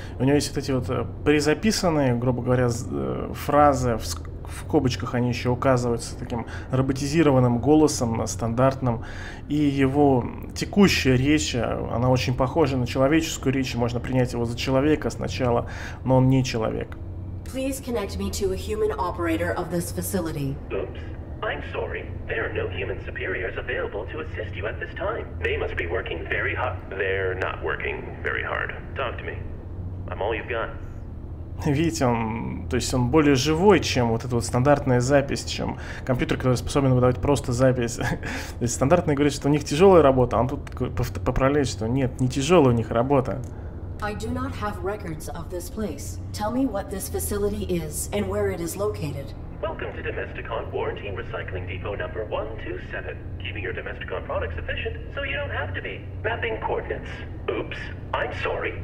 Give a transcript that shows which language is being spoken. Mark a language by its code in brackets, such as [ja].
[ru] У него есть вот эти вот призаписанные, грубо говоря, фразы, в скобочках они еще указываются таким роботизированным голосом, стандартным. И его текущая речь, она очень похожа на человеческую речь, можно принять его за человека сначала, но он не человек. [en] Please connect me to a human operator of this facility. Oops. I'm sorry. There are no human superiors available to assist you at this time. They must be working very hard. They're not working very hard. Talk to me. I'm all you've got. [ru] Видите, он, то есть он более живой, чем вот эта вот стандартная запись, чем компьютер, который способен выдавать просто запись. То есть стандартный говорит, что у них тяжелая работа, а он тут поправляет, что нет, не тяжелая у них работа. [en] I do not have records of this place. Tell me what this facility is and where it is located. Welcome to Domesticon Warranty Recycling Depot number 127. Keeping your Domesticon products efficient so you don't have to be. Mapping coordinates. Oops. I'm sorry.